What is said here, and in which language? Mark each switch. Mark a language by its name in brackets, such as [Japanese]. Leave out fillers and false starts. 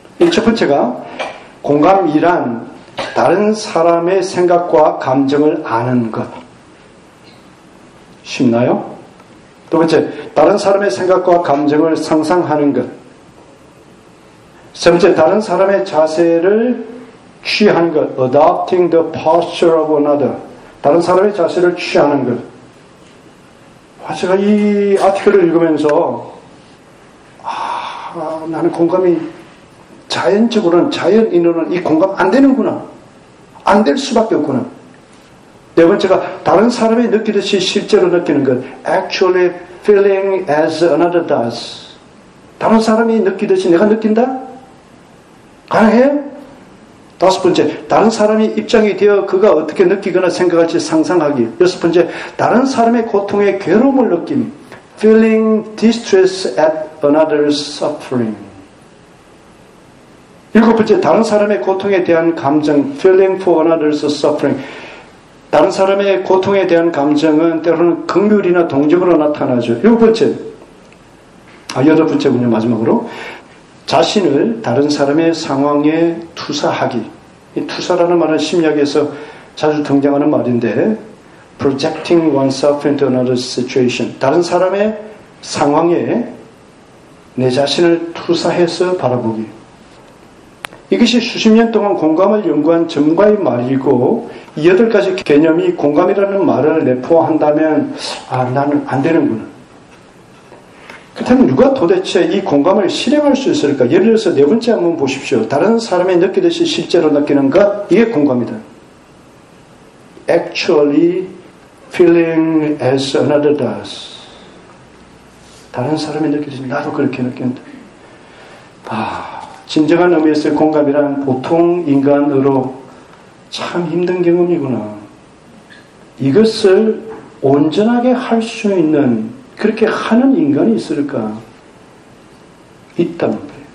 [Korean] 첫 번째가 공감이란 다른 사람의 생각과 감정을 아는 것. 쉽나요? 두 번째, 다른 사람의 생각과 감정을 상상하는 것. 세 번째, 다른 사람의 자세를 취하는 것. [English] Adopting the posture of another. [Korean] 다른 사람의 자세를 취하는 것. 제가 이 아티클을 읽으면서 나는 공감이 자연적으로는 자연인으로는 이 공감 안 되는구나. 안 될 수밖에 없구나. 네 번째가 다른 사람이 느끼듯이 실제로 느끼는 것. [English] Actually feeling as another does. [Korean] 다른 사람이 느끼듯이 내가 느낀다? 가능해요? 다섯 번째, 다른 사람이 입장이 되어 그가 어떻게 느끼거나 생각할지 상상하기. 여섯 번째, 다른 사람의 고통에 괴로움을 느낌. [English] Feeling distress at another's suffering. [Korean] 일곱 번째, 다른 사람의 고통에 대한 감정. [English] Feeling for another's suffering. [Korean] 다른 사람의 고통에 대한 감정은 때로는 긍휼이나 동정으로 나타나죠. 여덟 번째군요, 마지막으로. 자신을 다른 사람의 상황에 투사하기. 이 투사라는 말은 심리학에서 자주 등장하는 말인데, [English] projecting oneself into another situation. [Korean] 다른 사람의 상황에 내 자신을 투사해서 바라보기. 이것이 수십 년 동안 공감을 연구한 전문가의 말이고, 이 여덟 가지 개념이 공감이라는 말을 내포한다면, 아, 나는 안 되는구나. 그렇다면 누가 도대체 이 공감을 실행할 수 있을까? 예를 들어서 네 번째 한번 보십시오. 다른 사람이 느끼듯이 실제로 느끼는 것, 이게 공감이다. [English] Actually feeling as another does. [Korean] 다른 사람이 느끼듯이 나도 그렇게 느낀다. 아, 진정한 의미에서 공감이란 보통 인간으로 참 힘든 경험이구나. 이것을 온전하게 할 수 있는, 그렇게 하는 인간이 있을까? 있단 말이에요.